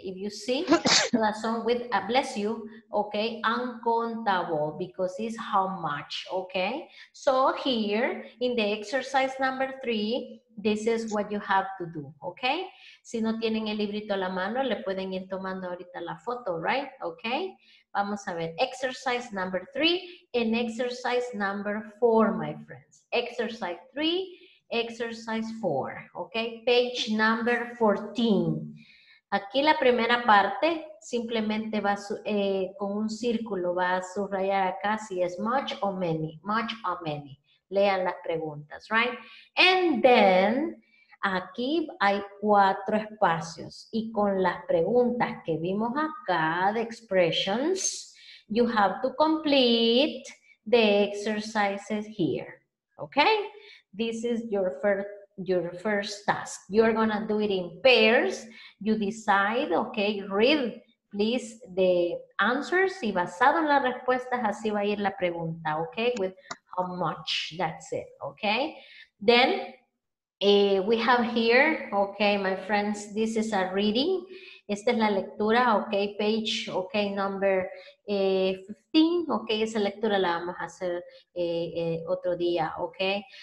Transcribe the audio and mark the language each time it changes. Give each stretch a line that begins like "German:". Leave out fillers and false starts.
English: If you see the lesson with a bless you, okay, uncountable, because it's how much, okay? So here in the exercise number 3, this is what you have to do, okay?
Spanish: Si no tienen el librito a la mano, le pueden ir tomando ahorita la foto, right?
English: Okay,
Spanish: vamos a ver.
English: Exercise number 3 and exercise number 4, my friends. Exercise 3. Exercise 4, okay? Page number 14.
Spanish: Aquí la primera parte simplemente va con un círculo, va a subrayar acá si es
English: much or many, much or many.
Spanish: Lean las preguntas,
English: right? And then,
Spanish: aquí hay 4 espacios. Y con las preguntas que vimos acá,
English: the expressions, you have to complete the exercises here, okay? This is your first task. You're going to do it in pairs. You decide, okay, read, please, the answers.
Spanish: Y basado en las respuestas, así va a ir la pregunta, okay?
English: With how much, that's it, okay? Then, we have here, okay, my friends, this is a reading.
Spanish: Esta es la lectura, okay, page, okay, number 15, okay, esa lectura la vamos a hacer otro día, okay.